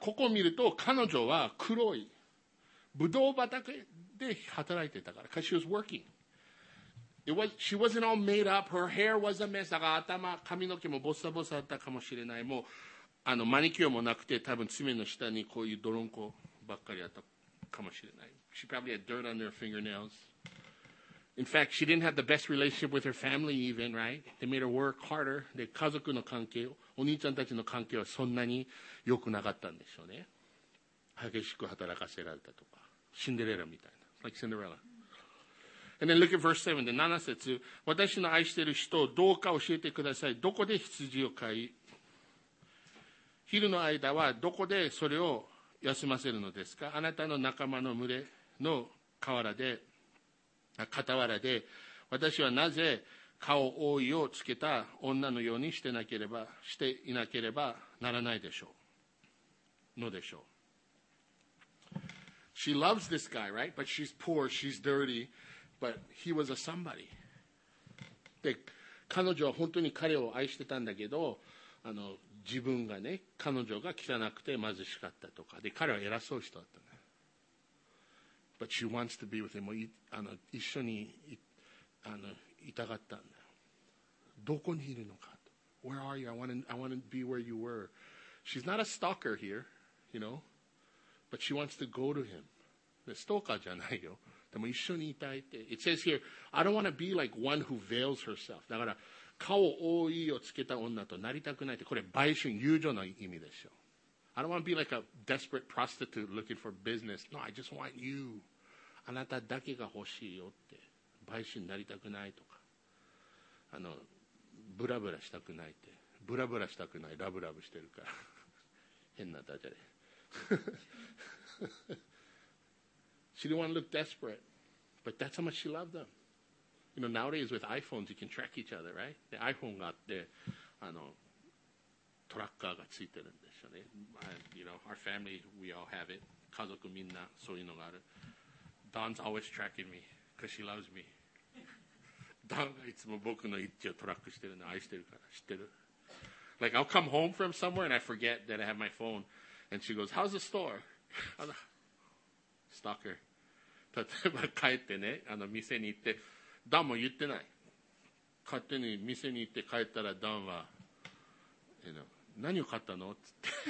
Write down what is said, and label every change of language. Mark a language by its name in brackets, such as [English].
[Japanese] ここを見ると彼女は黒いブドウ畑で働いてたから。 [English] Because she was working. She wasn't all made up. Her hair was a mess. [Japanese] だから頭、髪の毛もボサボサだったかもしれない。もうマニキュアもなくて、多分爪の下にこういう泥んこばっかりあったかもしれない。 [English] She probably had dirt on her fingernails. In fact, she didn't have the best relationship with her family even, right? They made her work harder. [Japanese] で、家族の関係、お兄ちゃんたちの関係はそんなに良くなかったんでしょうね。激しく働かせられたとか。シンデレラみたいな。 [English] Like Cinderella. And then look at verse 7, the 7節。 [Japanese] 私の愛している人をどうか教えてください。どこで羊を飼い、昼の間はどこでそれを休ませるのですか。あなたの仲間の群れの河原で、傍らで、私はなぜ顔覆いをつけた女のようにしてなければ、していなければならないでしょう。のでしょう。 [English] She loves this guy, right? But she's poor, she's dirty, but he was a somebody. [Japanese] で、彼女は本当に彼を愛してたんだけど、自分がね、彼女が汚くて貧しかったとか、で、彼は偉そう人だったね。 [English] But she wants to be with him, [Japanese] 一緒に、いたかったんだよ。どこにいるのかと。 [English] Where are you? I want to be where you were. She's not a stalker here, you know? But she wants to go to him. [Japanese] ストーカーじゃないよ。でも一緒にいたいって。 [English] It says here, I don't want to be like one who veils herself. [Japanese] だから、顔覆いをつけた女となりたくないって。これ、売春、友情の意味でしょ。 [English] I don't want to be like a desperate prostitute looking for business. No, I just want you. [Japanese] あなただけが欲しいよって。売春になりたくないとか。ブラブラしたくないって。ブラブラしたくない。ラブラブしてるから。変なダジャレ。 [English] She didn't want to look desperate, but that's how much she loved them. You know, nowadays with iPhones, you can track each other, right? [Japanese] The iPhone があって、トラッカーがついてるんでしょうね。 [English] You know, our family, we all have it. [Japanese] 家族みんなそういうのがある。 [English] Dawn's always tracking me because she loves me. [Japanese] Dawn がいつも僕の位置をトラックしてるの、愛してるから、知ってる。 [English] Like I'll come home from somewhere and I forget that I have my phone. And she goes, how's the store? Stalker. [Japanese] 例えば帰ってね、店に行って、ダンも言ってない。勝手に店に行って帰ったらダンは、何を買ったのつって。